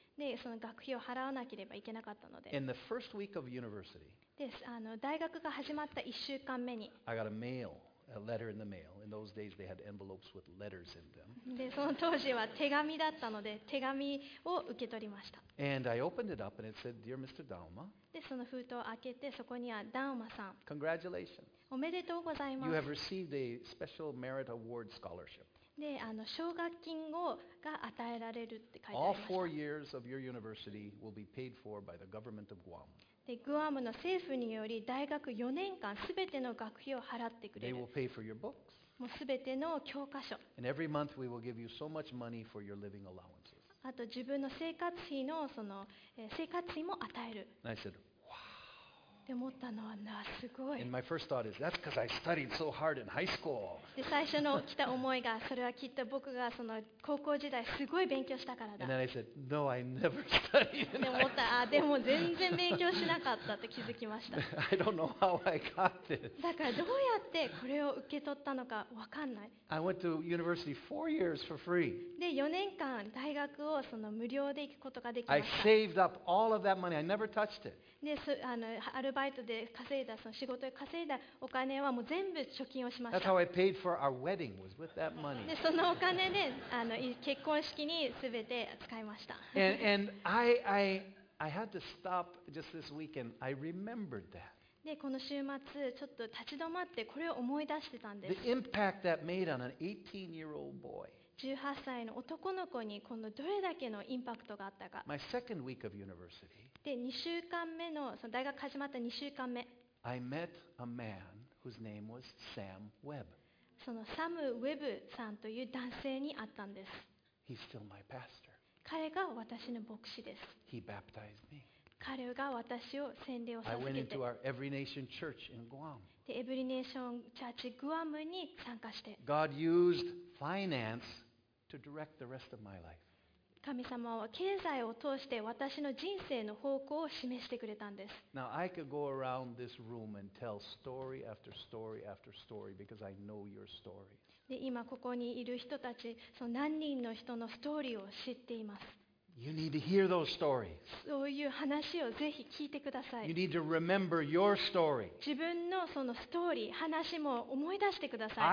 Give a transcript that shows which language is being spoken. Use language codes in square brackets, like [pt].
[ja] で、その学費を払わなければいけなかったので。 [en] In the first week of university. [ja] で、大学が始まった1週間目に。 [en] I got a mail a letter in the mail. In those days, they had envelopes with letters in them. [ja] で、その当時は手紙だったので、手紙を受け取りました。 [en] And I opened it up and it said, Dear Mr. Dalma. [ja] で、その封筒を開けて、そこにはダウマさん。 [en] Congratulations. [ja] おめでとうございます。 [en] You have received a special merit award scholarship. [ja] で、あの奨学金をが与えられるって書いてありました。 [en] All 4 years of your university will be paid for by the government of Guam. [ja] でグアムの政府により大学4年間すべての学費を払ってくれる。 [en] They will pay for your books. [ja] もうすべての教科書。 [en] And every month we will give you so much money for your living allowances. [ja] あと自分の生活費のその生活費も与える。 [en] And I said, wow. [ja] で思ったのはなすごい。 [en] And my first thought is that's because I studied so hard in high school. [ja] で最初の来た思いがそれはきっと僕がその高校時代すごい勉強したからだ。 [en] And then I said, no, I never studied. [ja] でも思った、あ、でも全然勉強しなかったって気づきました。 [en] I don't know how I got this. [ja] だからどうやってこれを受け取ったのか分かんない。 [en] I went to university 4 years for free. [ja] で、4年間大学をその無料で行くことができました。 [en] I saved up all of that money. I never touched it. [ja] で、あの、アルバイトで稼いだ、その仕事で稼いだお金はもう全部貯金をしました。 [en] That's how I paid for our wedding was with that money. [ja] で、そのお金で、あの、結婚式に全て使いました。 [en] And I had to stop just this weekend. I remembered that. [ja] で、この週末ちょっと立ち止まってこれを思い出してたんです。 [en] The impact that made on an 18-year-old boy. [ja] 18歳の男の子にこのどれだけのインパクトがあったか。 [en] My second week of university. [ja] で、2週間目のその大学始まった2週間目。 [en] I met a man whose name was Sam Webb. [ja] そのサム・ウェブさんという男性に会ったんです。 [en] He's still my pastor. [ja] 彼が私の牧師です。 [en] He baptized me. [ja] 彼が私を洗礼を授けて。 [en] I went into our Every Nation Church in Guam. [ja] で、エブリネーションチャーチグアムに参加して。 [en] God used finance to direct the rest of my life. [ja] 神様は経済を通して私の人生の方向を示してくれたんです。 [en] Now I could go around this room and tell story after story after story because I know your story. [ja] で今ここにいる人たち、その何人の人のストーリーを知っています。 [en] You need to hear those stories. [ja] そういう話をぜひ聞いてください。 [en] You need to remember your story. [ja] 自分のそのストーリー、話も思い出してください。